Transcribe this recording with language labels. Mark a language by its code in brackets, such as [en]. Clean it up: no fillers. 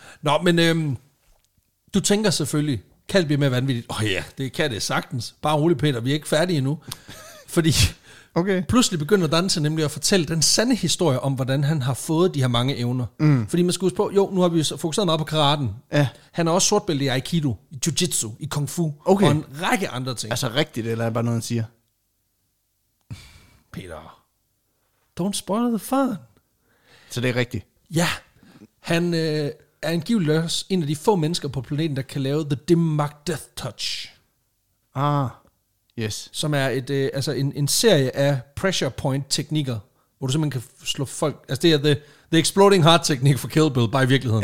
[da] Nå, men du tænker selvfølgelig, kan det blive mere vanvittigt? Åh ja, det kan det sagtens. Bare rolig, Peter, vi er ikke færdige endnu. Fordi Okay. Pludselig begynder Dante nemlig at fortælle den sande historie om, hvordan han har fået de her mange evner. Mm. Fordi man skal huske på, jo, nu har vi fokuseret meget på karaten. Ja. Han er også sortbælte i aikido, i jiu-jitsu, i kung fu, okay, og en række andre ting. Altså rigtigt, eller er det bare noget, han siger? [en] Peter, don't spoil the fun. [da] Så det er rigtigt? Ja. Han er angivelig også en af de få mennesker på planeten, der kan lave the dim mark death touch. [en] Ah, yes. [da] Som er et, altså en serie af pressure point teknikker, hvor du simpelthen kan slå folk. Altså det er the exploding heart teknik for Kill Bill, bare i virkeligheden.